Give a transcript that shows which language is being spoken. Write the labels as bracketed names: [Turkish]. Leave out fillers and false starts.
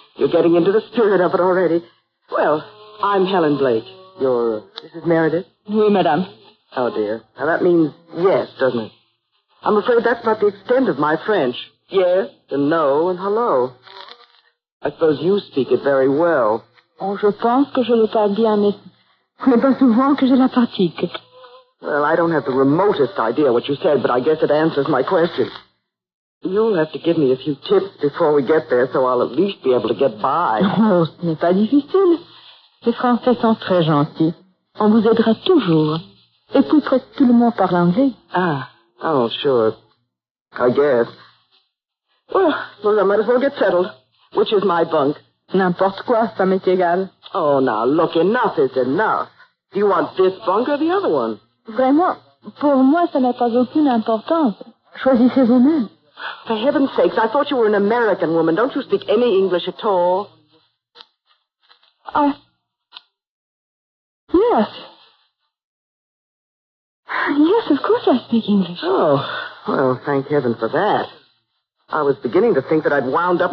[English] You're getting into the spirit of it already. Well, I'm Helen Blake. You're Mrs. Meredith? [French] Oui, madame. [English] Oh, dear. Now, that means yes, doesn't it? I'm afraid that's not the extent of my French. Yes, and no, and hello. I suppose you speak it very well. [French] Oh, je pense que je le parle bien, mais pas souvent que je la pratique. [English] Well, I don't have the remotest idea what you said, but I guess it answers my question. You'll have to give me a few tips before we get there, so I'll at least be able to get by. [French] Oh, ce n'est pas difficile. Les Français sont très gentils. On vous aidera toujours. Et puis, presque tout le monde parle anglais. [English] Ah, oh, sure. I guess. Well, I might as well get settled. Which is my bunk? [French] N'importe quoi, ça m'est égal. [English] Oh, now, look, enough is enough. Do you want this bunk or the other one? [French] Vraiment, pour moi, ça n'a pas aucune importance. Choisissez vous-même. [English] For heaven's sakes, I thought you were an American woman. Don't you speak any English at all? Yes. Yes, of course I speak English. Oh, well, thank heaven for that. I was beginning to think that I'd wound up...